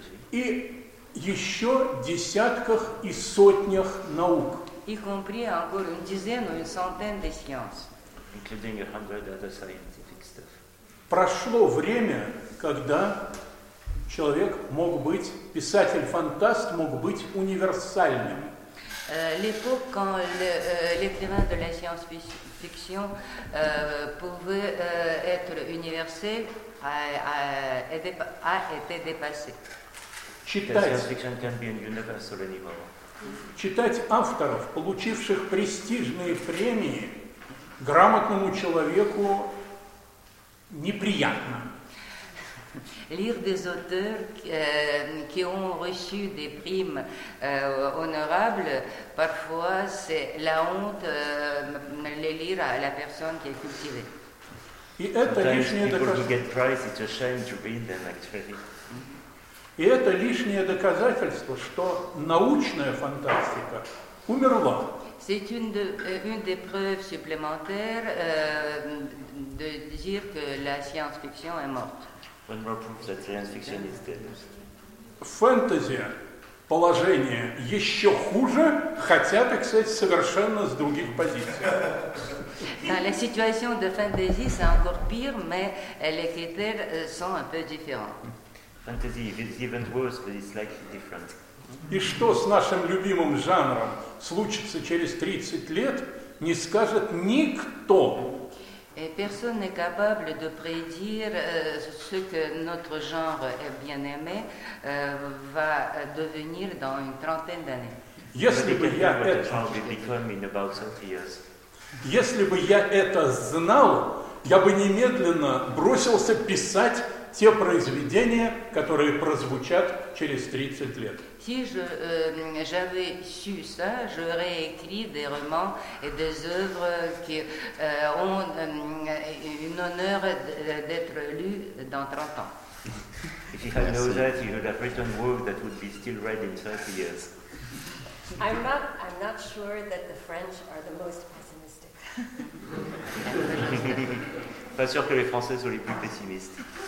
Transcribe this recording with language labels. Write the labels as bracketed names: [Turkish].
[Russian] и еще десятках и сотнях наук. [French] Y compris encore une dizaine ou une centaine de sciences. [English] Including 100 other scientific stuff. [Russian] Прошло время, когда человек мог быть, писатель-фантаст мог быть универсальным. [French] L'époque quand l'écrivain de la science-fiction pouvait être universel a été dépassé. [English] Science-fiction can be universal anymore. [Russian] Читать авторов, получивших престижные премии, грамотному человеку неприятно. [French] lire des auteurs qui ont reçu des primes honorables, parfois c'est la honte de les lire à la personne qui est cultivée. [Russian] И это лишнее доказательство, что научная фантастика умерла. [French] C'est une des preuves supplémentaires de dire que la science-fiction est morte. [English] One more proof that science-fiction is dead. [Russian] Фэнтези положение еще хуже, хотя, так сказать, совершенно с других позиций. [French] Dans la situation de fantasy, c'est encore pire, mais les critères sont un peu différents. [English] Fantasy is even worse, but it's slightly different. [Russian] И что с нашим любимым жанром случится через 30 лет, не скажет никто. [French] Et personne n'est capable de prédire ce que notre genre bien-aimé va devenir dans une trentaine d'années. [Russian] Если бы я это знал, я бы немедленно бросился писать те произведения, которые прозвучат через 30 лет. [French] Si j'avais su ça, j'aurais écrit des romans et des œuvres qui ont une honneur d'être lues dans 30 ans. [English] If you had known that, you would have written work that would be still read in 30 years. I'm not sure that the French are the most pessimistic. [French] Pas sûr que les Français soient les plus pessimistes.